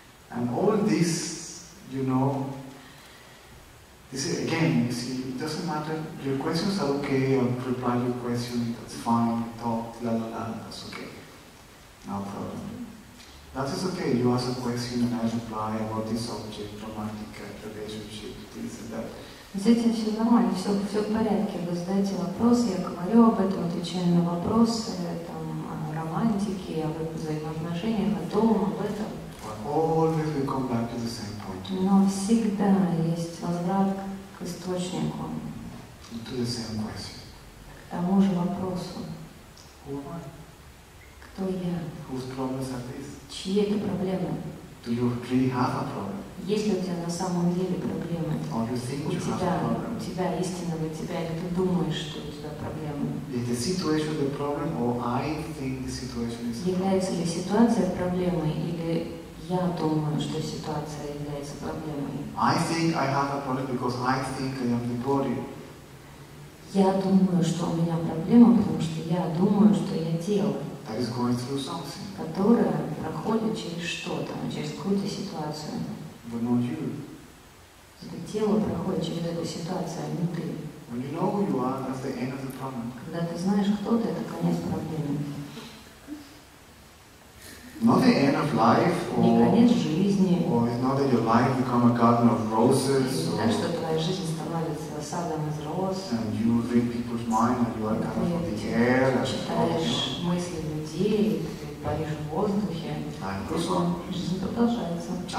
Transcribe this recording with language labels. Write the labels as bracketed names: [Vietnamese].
[English] And all this, you know, this again, you see, it doesn't matter. Your questions are okay, I'll reply your question, that's fine, talk, la, that's okay. No problem. That is okay, you ask a question and I reply about this object, romantic relationship, this and that. [Russian] С этим все нормально, все в порядке. Вы задаете вопрос, я говорю об этом, отвечаю на вопросы, там, о романтике, о взаимоотношениях, о том, об этом. [English] Always we come back to the same point. [Russian] Но всегда есть возврат к источнику. [English] To the same question. [Russian] К тому же вопросу. [English] Who am I? [Russian] Кто я? [English] Whose problems are these? [Russian] Чьи это проблемы? [English] Do you really have a problem? [Russian] Есть ли у тебя на самом деле проблемы? [English] Or you think you have a problem? [Russian] У тебя истинного тебя, или ты думаешь, что у тебя проблемы? [English] Is the situation the problem, or I think the situation is the problem? [Russian] Является ли ситуация проблемой, или я думаю, что ситуация является проблемой? [English] I think I have a problem because I think I am the body. [Russian] Я думаю, что у меня проблема, потому что я думаю, что я тело. [English] That is going through something. [Russian] Которая проходит через что-то, через какую-то ситуацию. [English] But not you. [Russian] Это тело проходит через эту ситуацию, а не ты. [English] When you know who you are, that's the end of the problem. [Russian] Когда ты знаешь, кто ты, это конец проблемы. [English] Not the end of life, or [Russian] не конец жизни. [English] Or it's not that your life become a garden of roses. [Russian] Не что твоя жизнь становится садом из роз. [English] And you read people's mind, and you are kind of the air. [Russian] Читаешь мысли людей. Паришь в воздухе, жизнь продолжается.